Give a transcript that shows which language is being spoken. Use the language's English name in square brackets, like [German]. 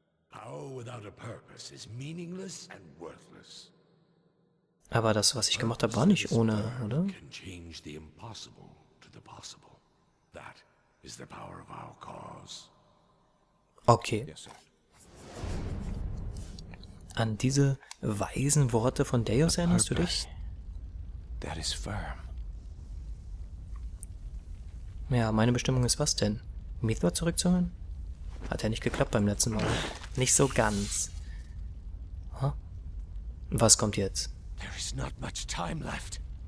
[English] Power without a purpose is meaningless and worthless. [German] Aber das, was ich gemacht habe, war nicht ohne, oder? [English] Can change the impossible to the possible. That is the power of our cause. Okay. [German] An diese weisen Worte von Deus erinnerst du dich? [English] That is firm. [German] Ja, meine Bestimmung ist was denn? Mithra zurückzuholen? Hat ja nicht geklappt beim letzten Mal. Nicht so ganz. Huh? Was kommt jetzt? [English] There is not much time left.